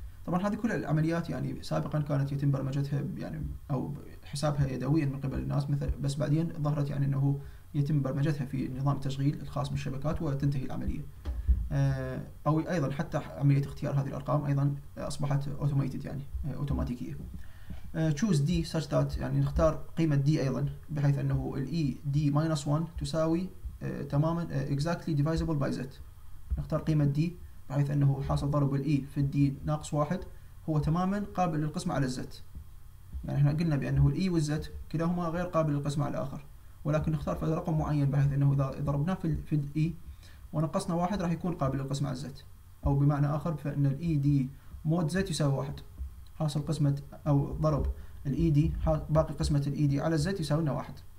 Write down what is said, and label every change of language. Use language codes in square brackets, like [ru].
[ar] طبعا هذه كل العمليات يعني سابقا كانت يتم برمجتها يعني او حسابها يدويا من قبل الناس مثل، بس بعدين ظهرت يعني انه يتم برمجتها في نظام التشغيل الخاص بالشبكات وتنتهي العملية. او ايضا حتى عملية اختيار هذه الارقام ايضا اصبحت اوتوميتد يعني اوتوماتيكية. [en] choose d such that [ar] يعني نختار قيمة d ايضا بحيث انه ال [en] e d minus 1 [ar] تساوي تماما [en] exactly divisible by z. [ar] نختار قيمة d بحيث انه حاصل ضرب الاي في الدي ناقص واحد هو تماما قابل للقسمة على الزت. يعني احنا قلنا بانه الاي والزت كلاهما غير قابل للقسمة على الاخر، ولكن نختار في رقم معين بحيث انه اذا ضربناه في الاي ونقصنا واحد راح يكون قابل للقسمة على الزت، او بمعنى اخر فان الاي دي مود زت يساوي واحد، حاصل قسمة او ضرب الاي دي باقي قسمة الاي دي على الزت يساوي لنا واحد.